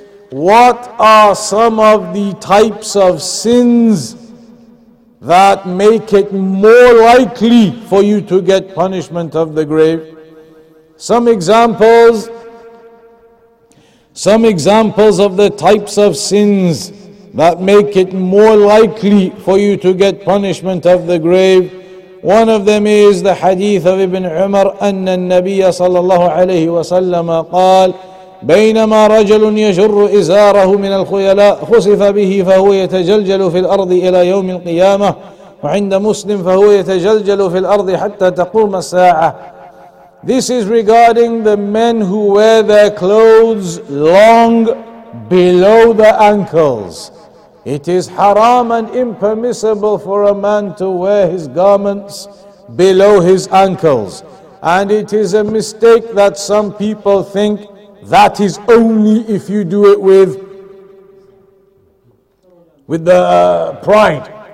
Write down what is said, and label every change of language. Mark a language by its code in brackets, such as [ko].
[en] what are some of the types of sins that make it more likely for you to get punishment of the grave. Some examples of the types of sins that make it more likely for you to get punishment of the grave. One of them is the hadith of Ibn Umar, [ar] أن النبي صلى الله عليه وسلم قال بينما رجل يجر إزاره من الخيلاء خسف به فهو يتجلجل في الأرض إلى يوم القيامة وعند مسلم فهو يتجلجل في الأرض حتى تقوم الساعة. [en] This is regarding the men who wear their clothes long below the ankles. It is haram and impermissible for a man to wear his garments below his ankles. And it is a mistake that some people think that is only if you do it with pride.